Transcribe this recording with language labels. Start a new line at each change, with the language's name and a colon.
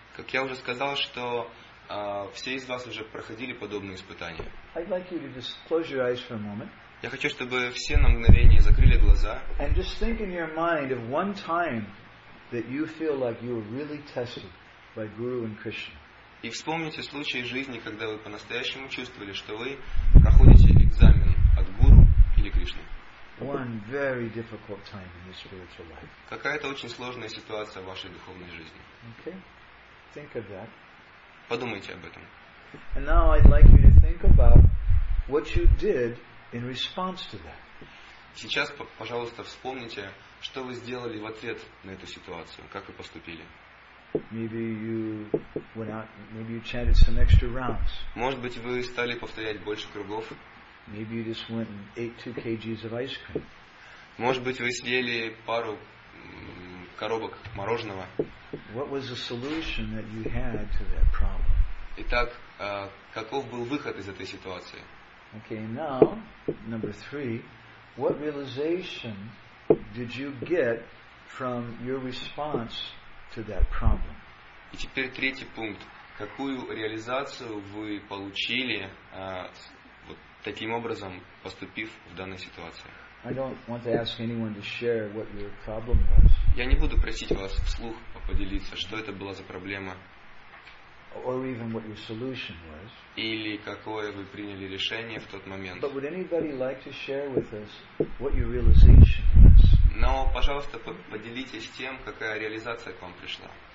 Russian: Как я уже сказал, что все из вас уже проходили подобные испытания.
English: I'd like you to just close your eyes for a moment.
Russian: Я хочу, чтобы все на мгновение закрыли глаза.
English: And just think in your mind of one time that you feel like you were really tested by Guru and Krishna.
Russian: И вспомните случай жизни, когда вы по-настоящему чувствовали, что вы проходите экзамен от Гуру или Кришны.
English: One very difficult time in your spiritual life.
Russian: Какая-то очень сложная ситуация в вашей духовной жизни.
English: Okay. Think of that.
Russian: Подумайте об этом.
English: And now I'd like you to think about what you did in response to that.
Russian: Сейчас, пожалуйста, вспомните, Что вы сделали в ответ на эту ситуацию? Как вы поступили?
English: Maybe you went out, maybe you chanted some extra rounds.
Russian: Может быть, вы стали повторять больше кругов?
English: Maybe you just went and ate 2 kgs of ice cream.
Russian: Может быть, вы съели пару коробок мороженого?
English: What was the solution that you had to that problem?
Russian: Итак, каков был выход из этой ситуации?
English: Okay, now, number 3, what realization did you get from your response to that problem?
Russian: И теперь третий пункт. Какую реализацию вы получили, вот таким образом, поступив в данной ситуации?
English: I don't want to ask anyone to share what your problem was.
Russian: Я не буду просить вас вслух поделиться, что это была за проблема.
English: Or even what your solution was.
Russian: Или какое вы приняли решение в тот момент.
English: But would anybody like to share with us what your realization was?
Russian: Но, пожалуйста, поделитесь тем, какая реализация к вам пришла.